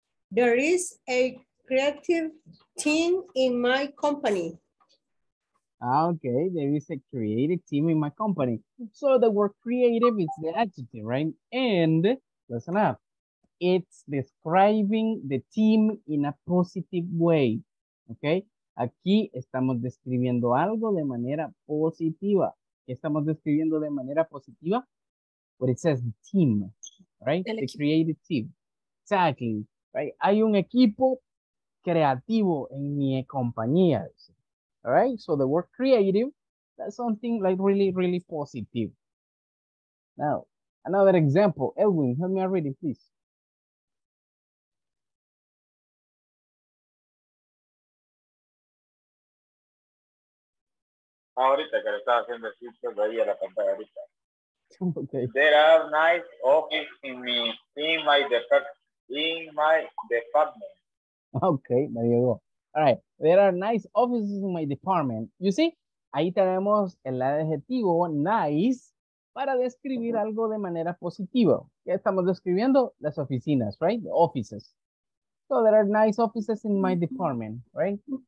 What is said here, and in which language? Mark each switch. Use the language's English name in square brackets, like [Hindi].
[English] There is a creative team in my company. Okay, there is a creative team in my company. So the word creative is the adjective, right? And listen up, it's describing the team in a positive way. [Spanish] Okay, aquí estamos describiendo algo de manera positiva. [English] Estamos describiendo de manera positiva, but it says the team, right? The creative team. Exactly. Right? Hay un equipo creativo en mi compañía. All right? So the word creative, that's something like really, really positive. Now, another example. Edwin, help me read it, please. [Spanish] Ahorita que lo estaba haciendo, ahí a la pantalla ahorita. [English] Okay. There are nice offices in my department. Okay, there you go. All right. There are nice offices in my department. You see, [Spanish] ahí tenemos el adjetivo nice para describir algo de manera positiva. ¿Qué estamos describiendo? Las oficinas, right? The offices. [English] So there are nice offices in my department, right?